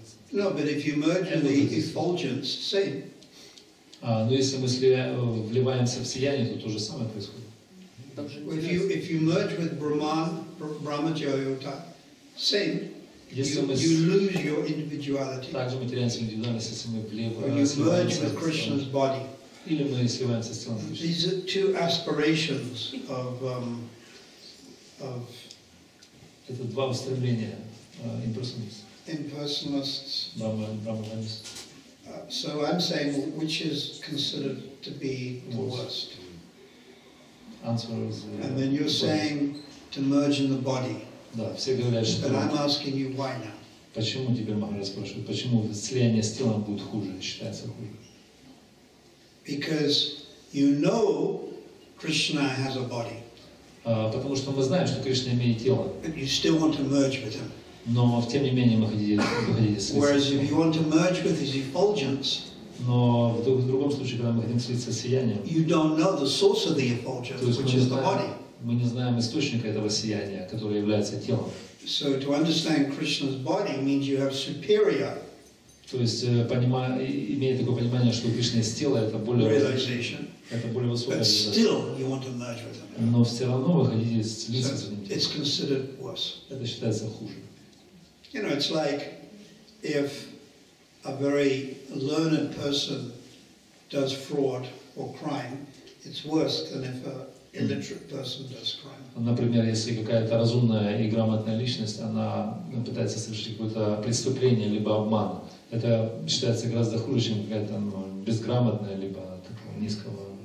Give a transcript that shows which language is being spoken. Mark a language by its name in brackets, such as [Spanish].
[English] No, but if you merge in the effulgence, same. [Russian] Но если мы вливаемся в сияние, то то же самое происходит. [English] If you merge with Brahman, Brahmacharya, same. You lose your individuality. [Russian] Также мы теряемся индивидуальность, если мы вливаемся. [English] Or you merge with Krishna's body. [Russian] Или мы сливаемся с телом. [English] These are two aspirations of of. [Russian] Это два устремления impersonalists. [English] Impersonalists. Brahmanists. So I'm saying, which is considered to be the worst? Answer is. And then you're saying to merge in the body. [Russian] Да, все говорят, что. [English] But I'm asking you why now? [Russian] Почему тебе Махарадж спрашивает, почему слияние с телом будет хуже, считается хуже? [English] Because you know Krishna has a body. [Russian] Потому что мы знаем, что Кришна имеет тело. [English] But you still want to merge with him. [Russian] Но тем не менее мы хотим слиться. [English] Whereas if you want to merge with his effulgence, [Russian] но в другом случае, когда мы хотим слиться с сиянием, [English] you don't know the source of the effulgence, which is the body. [Russian] Мы не знаем источника этого сияния, которое является телом. [English] So to understand Krishna's body means you have superior. [Russian] То есть имея такое понимание, что Кришна есть тело, это более [English] realization. [Russian] Это более высокое. [English] But still, you want to merge with him. [Russian] Но все равно вы хотите слиться с ним. [English] It's considered worse. [Russian] Это считается хуже. [English] You know, it's like if a very learned person does fraud or crime, it's worse than if a illiterate person does crime. [Russian] Например, если какая-то разумная и грамотная личность, она пытается совершить какое-то преступление либо обман, это считается гораздо хуже, чем какая-то безграмотная либо такого низкого.